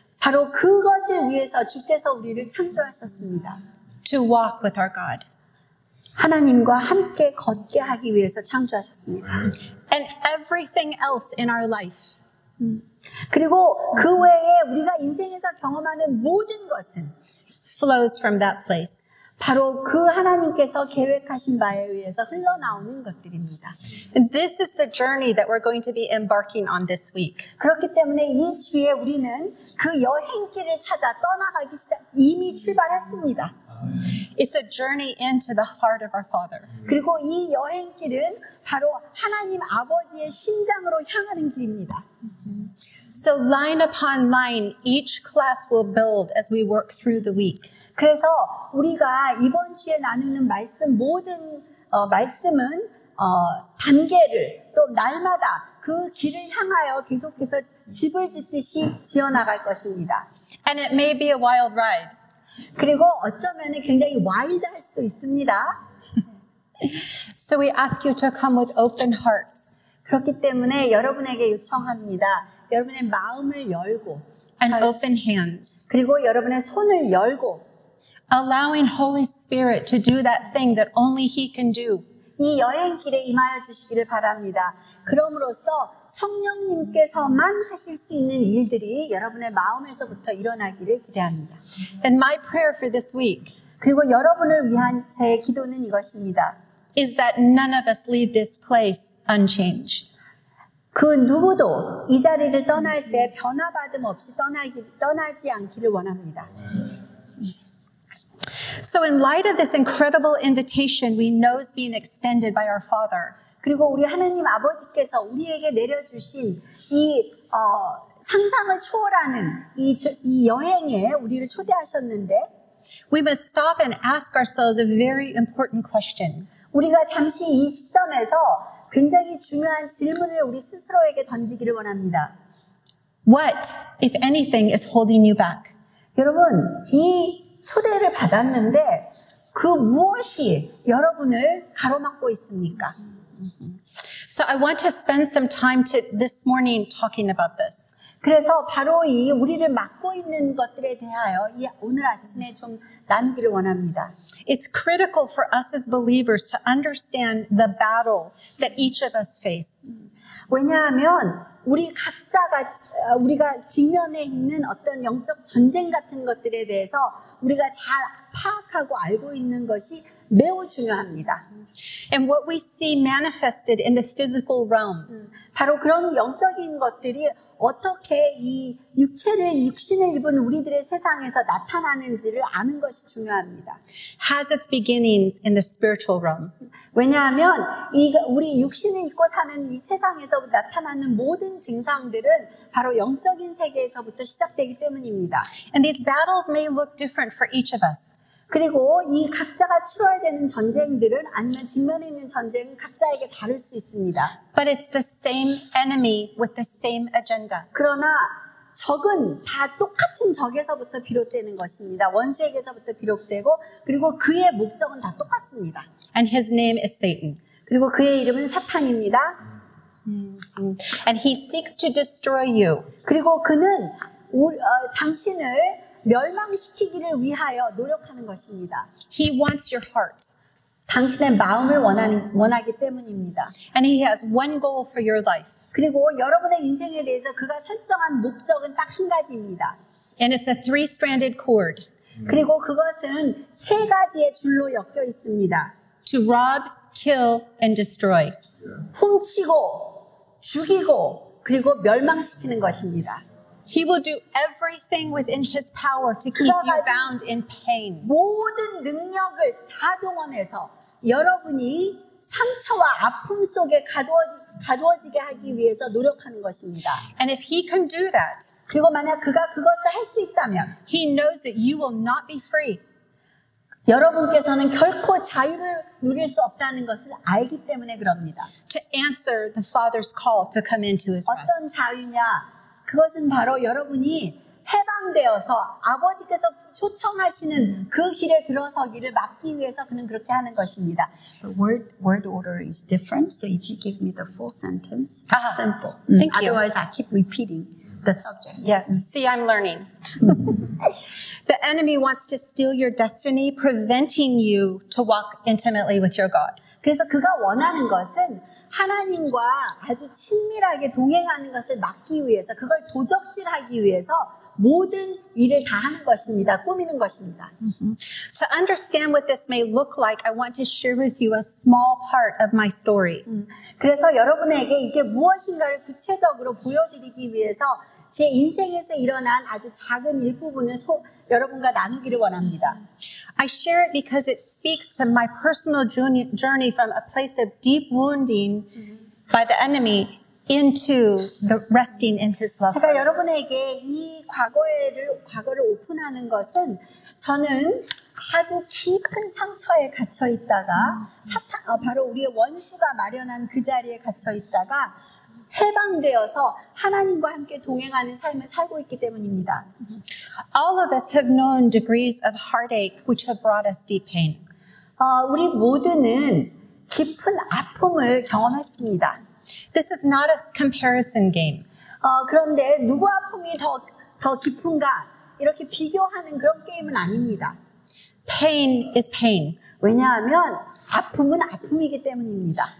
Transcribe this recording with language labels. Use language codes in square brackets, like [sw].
[ko] 바로 그것을 위해서 주께서 우리를 창조하셨습니다. [en] To walk with our God. [ko] 하나님과 함께 걷게 하기 위해서 창조하셨습니다. [en] And everything else in our life. [ko] 그리고 그 외에 우리가 인생에서 경험하는 모든 것은 [en] flows from that place. [ko] 바로 그 하나님께서 계획하신 바에 의해서 흘러나오는 것들입니다. [en] And this is the journey that we're going to be embarking on this week. [ko] 그렇기 때문에 이 주에 우리는 그 여행길을 찾아 떠나가기 시작 이미 출발했습니다. [en] It's a journey into the heart of our Father. [ko] 그리고 이 여행길은 바로 하나님 아버지의 심장으로 향하는 길입니다. [en] So line upon line, each class will build as we work through the week. [ko] 그래서 우리가 이번 주에 나누는 말씀 모든 말씀은 단계를 또 날마다 그 길을 향하여 계속해서 집을 짓듯이 지어 나갈 것입니다. [en] And it may be a wild ride. [ko] 그리고 어쩌면은 굉장히 와일드할 수도 있습니다. [en] So we ask you to come with open hearts. [ko] 그렇기 때문에 여러분에게 요청합니다. 여러분의 마음을 열고 [en] And open hands. [ko] 그리고 여러분의 손을 열고 [en] Allowing Holy Spirit to do that thing that only He can do. [ko] 이 여행길에 임하여 주시기를 바랍니다. 그럼으로써 성령님께서만 하실 수 있는 일들이 여러분의 마음에서부터 일어나기를 기대합니다. [en] And my prayer for this week. [ko] 그리고 여러분을 위한 제 기도는 이것입니다. [en] Is that none of us leave this place unchanged? [ko] 그 누구도 이 자리를 떠날 때 변화받음 없이 떠나지 않기를 원합니다. [en] So in light of this incredible invitation we know is being extended by our Father. [ko] 그리고 우리 하나님 아버지께서 우리에게 내려주신 이 상상을 초월하는 이 여행에 우리를 초대하셨는데 [en] we must stop and ask ourselves a very important question. [ko] 우리가 잠시 이 시점에서 굉장히 중요한 질문을 우리 스스로에게 던지기를 원합니다. [en] What if anything is holding you back? [ko] 여러분, 이 초대를 받았는데 그 무엇이 여러분을 가로막고 있습니까? [en] So I want to spend some time this morning talking about this. [ko] 그래서 바로 이 우리를 막고 있는 것들에 대하여 오늘 아침에 좀 나누기를 원합니다. [en] It's critical for us as believers to understand the battle that each of us face. [ko] 왜냐하면 우리 각자가 우리가 직면에 있는 어떤 영적 전쟁 같은 것들에 대해서 우리가 잘 파악하고 알고 있는 것이 매우 중요합니다. [en] And what we see manifested in the physical realm. [ko] 바로 그런 영적인 것들이 어떻게 이 육신을 입은 우리들의 세상에서 나타나는지를 아는 것이 중요합니다. [en] Has its beginnings in the spiritual realm. [ko] 왜냐하면 우리 육신을 입고 사는 이 세상에서 나타나는 모든 증상들은 바로 영적인 세계에서부터 시작되기 때문입니다. [en] And these battles may look different for each of us. [ko] 그리고 이 각자가 치러야 되는 전쟁들은 아니면 직면에 있는 전쟁은 각자에게 다를 수 있습니다. [en] But it's the same enemy with the same agenda. [ko] 그러나 적은 다 똑같은 적에서부터 비롯되는 것입니다. 원수에게서부터 비롯되고 그리고 그의 목적은 다 똑같습니다. [en] And his name is Satan. [ko] 그리고 그의 이름은 사탄입니다. [en] And he seeks to destroy you. [ko] 그리고 그는 당신을 멸망시키기를 위하여 노력하는 것입니다. [en] He wants your heart. [ko] 당신의 마음을 원하기 때문입니다. [en] And he has one goal for your life. [ko] 그리고 여러분의 인생에 대해서 그가 설정한 목적은 딱 한 가지입니다. [en] And it's a three-stranded cord. [ko] 그리고 그것은 세 가지의 줄로 엮여 있습니다. [en] To rob, kill, and destroy. [ko] 훔치고, 죽이고, 그리고 멸망시키는 것입니다. [en] He will do everything within his power to keep you bound in pain. [ko] 모든 능력을 다 동원해서 여러분이 상처와 아픔 속에 가두어지게 하기 위해서 노력하는 것입니다. [en] And if he can do that, [ko] 그리고 만약 그가 그것을 할 수 있다면, [en] he knows that you will not be free. [ko] 여러분께서는 결코 자유를 누릴 수 없다는 것을 알기 때문에 그럽니다. [en] To answer the Father's call to come into his rest. [ko] 어떤 자유냐? 그것은 바로 여러분이 해방되어서 아버지께서 초청하시는 그 길에 들어서기를 막기 위해서 그는 그렇게 하는 것입니다. [en] The word order is different. So if you give me the full sentence, simple. Thank you. Otherwise, I keep repeating the subject. Yeah. See, I'm learning. The enemy wants to steal your destiny, preventing you to walk intimately with your God. [ko] 그래서 그가 원하는 것은 하나님과 아주 친밀하게 동행하는 것을 막기 위해서 그걸 도적질하기 위해서 모든 일을 다 하는 것입니다. 꾸미는 것입니다. [en] To understand what this may look like, I want to share with you a small part of my story. [ko] 그래서 여러분에게 이게 무엇인가를 구체적으로 보여드리기 위해서 제 인생에서 일어난 아주 작은 일부분을 여러분과 나누기를 원합니다. [en] I share it because it speaks to my personal journey from a place of deep wounding by the enemy into the resting in his love. [ko] 제가 여러분에게 이 과거를 오픈하는 것은 저는 아주 깊은 상처에 갇혀 있다가 바로 우리의 원수가 마련한 그 자리에 갇혀 있다가 해방되어서 하나님과 함께 동행하는 삶을 살고 있기 때문입니다. [en] All of us have known degrees of heartache which have brought us deep pain. [ko] 우리 모두는 깊은 아픔을 경험했습니다. [en] This is not a comparison game. [ko] 그런데 누구 아픔이 더 깊은가 이렇게 비교하는 그런 게임은 아닙니다. [en] Pain is pain. [ko] 왜냐하면 아픔은 아픔이기 때문입니다.